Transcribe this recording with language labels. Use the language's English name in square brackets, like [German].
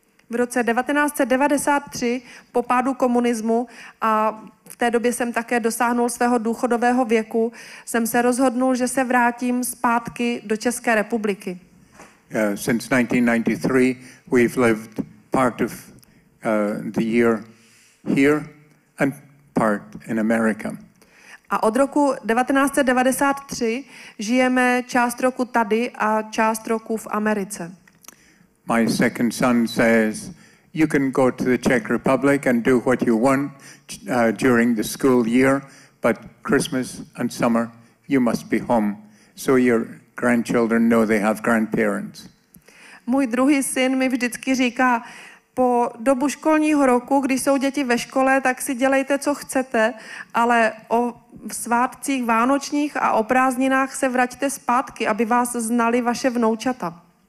[Czech] V roce 1993, po pádu komunismu a v té době jsem také dosáhnul svého důchodového věku, jsem se rozhodnul, že se vrátím zpátky do České republiky. [English] Since 1993, we've lived part of the year here and part in America. [Czech] A od roku 1993 žijeme část roku tady a část roku v Americe. [English] My second son says, you can go to the Czech Republic and do what you want during the school year, but but Christmas and summer you must be home so your grandchildren know they have grandparents. [Czech] Můj druhý syn mi vždycky říká, po dobu školního roku, když jsou děti ve škole, tak si dělejte, co chcete, ale o svátcích vánočních a o prázdninách se vraťte zpátky, aby vás znali vaše vnoučata.